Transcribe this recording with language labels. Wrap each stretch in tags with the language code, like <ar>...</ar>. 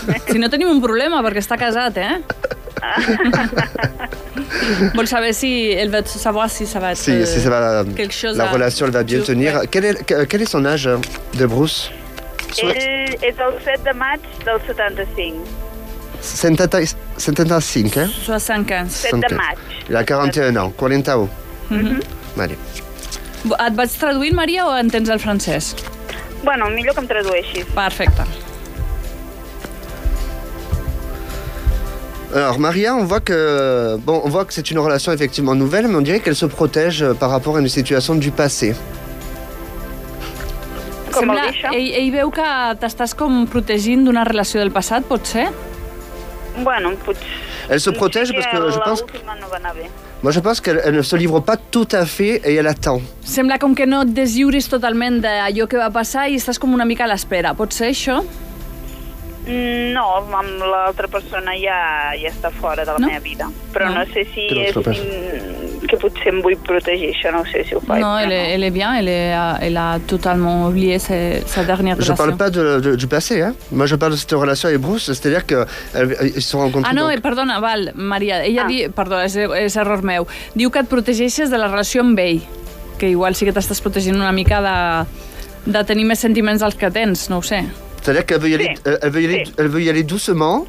<ca>Si no tenim un problema, perquè està casat, eh? Vol saber si el</ca> <fr>veut savoir si ça va être, si, si ça va, quelque chose la relation va bien tenir. Quel est son âge de Bruce?</fr> <ca>És el 7 de maig del 75. 75, eh? 75. 7 de maig. La 41, 41. Mm-hmm. Et vaig traduint, Maria, o entens el francès? Bueno, millor que em tradueixis. Perfecte.</ca> <fr>Alors Maria, on voit que c'est une relation effectivement nouvelle, mais on dirait qu'elle se protège par rapport à une situation du passé.</fr> <ca>Sembla, ell veu que t'estàs com protegint d'una relació del passat, potser? Bueno, potser.</ca> <fr>Elle se protège parce que je pense. Moi je pense qu'elle ne se livre pas tout à fait et elle attend.</fr> <ca>Sembla com que no et deslliures totalment d'allò que va passar i estàs com una mica a l'espera, potser això? No, amb l'altra persona ja està fora de la meva vida. Però no sé si és que potser em vull protegir, això no sé si ho faig.</ca> <fr>No, elle est bien, elle a totalement oublié sa dernière relation. Je parle pas du passé, hein. Moi je parle de cette relation avec Bruce, c'est-à-dire qu'ils se sont rencontrés...</fr> <ca>Ah no, perdona, val, Maria, és error meu. Diu que et protegeixes de la relació amb ell, que igual sí que t'estàs protegint una mica de tenir més sentiments dels que tens, no ho sé.</ca> <fr>C'est-à-dire qu'elle veut y aller, sí, elle veut y aller doucement.</fr>